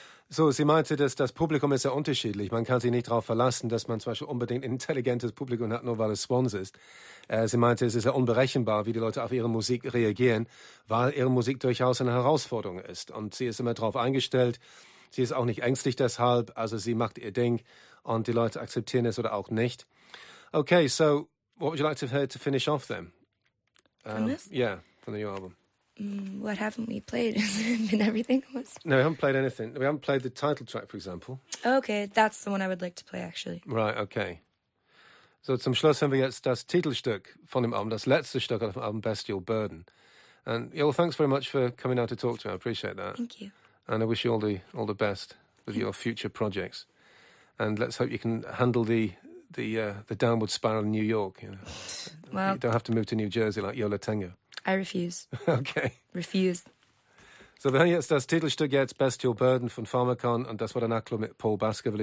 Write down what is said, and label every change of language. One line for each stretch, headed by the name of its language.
German: So, sie meinte, dass das Publikum ist sehr unterschiedlich. Man kann sich nicht darauf verlassen, dass man zum Beispiel unbedingt ein intelligentes Publikum hat, nur weil es Swans ist. Sie meinte, es ist sehr unberechenbar, wie die Leute auf ihre Musik reagieren, weil ihre Musik durchaus eine Herausforderung ist. Und sie ist immer darauf eingestellt. Sie ist auch nicht ängstlich deshalb. Also sie macht ihr Ding und die Leute akzeptieren es oder auch nicht.
English: Okay, so what would you like to finish off then? From this? Yeah, from the new album. What haven't we played? Has it been everything? No, we haven't played anything. We haven't played the title track, for example. Okay, that's the one I would like to play, actually. Right, okay.
German: So zum Schluss haben wir jetzt das Titelstück von dem Album, das letzte Stück auf dem Album, Bestial Burden.
English: And yeah, well, thanks very much for coming out to talk to me. I appreciate that. Thank you. And I wish you all the best with your future projects. And let's hope you can handle the downward spiral in New York. You know? Well, you don't have to move to New Jersey like Yola Tengo. I refuse. Okay. Refuse.
German: So wir haben jetzt das Titelstück jetzt, Bestial Burden von Pharmakon. Und das war der Nachtclub mit Paul Baskerville.